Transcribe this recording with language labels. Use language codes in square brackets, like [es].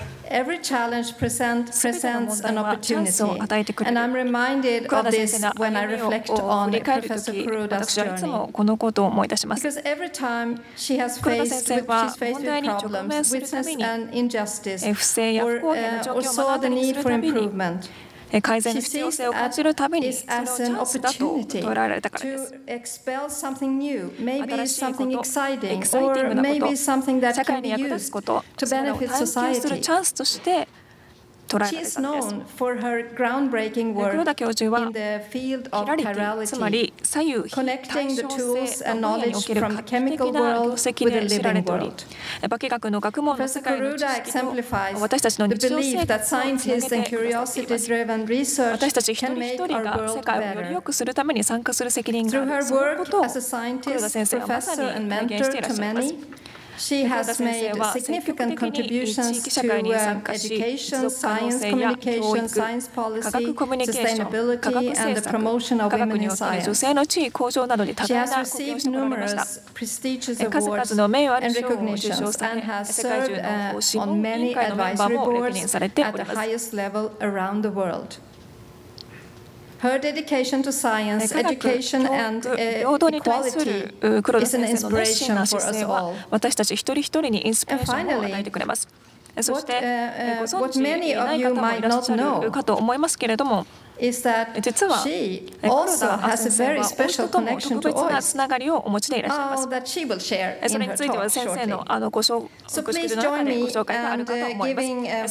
[en] Every challenge presents an opportunity, and I'm reminded of this when I reflect on Professor Kuroda's journey. Because every time she has faced with problems, witnessed an injustice, or saw the need for improvement. [ja] 改善の必要性を感じるたびに、そのチャンスだと捉えられたからです。新しいこと、エキサイティングなこと、社会に役立つこと、それらを探求するチャンスとして捉えられたからです。黒田教授は、キラリティ、つまり左右非対称性の分野における画期的な業績で知られており、化学の学問の世界の知識と私たちの日常生活をつなげてくださっています。私たち一人一人が世界をより良くするために参加する責任がある。そのことを黒田先生はまさに明言していらっしゃいます。 [en] She has made significant contributions to education, science, communication, science policy, sustainability, and the promotion of women in science. She has received numerous prestigious awards and recognitions and has served on many advisory boards at the highest level around the world. Her dedication to science, education, and equality is an inspiration for us all. And finally, [ja] そしてご存知でない方もいらっしゃるかと思いますけれども、実はオルダーハスベリースペシャルコネクションとオイスとも特別なつながりをお持ちでいらっしゃいます。それについては先生 の, あのご紹介の中でご紹介があるかと思います。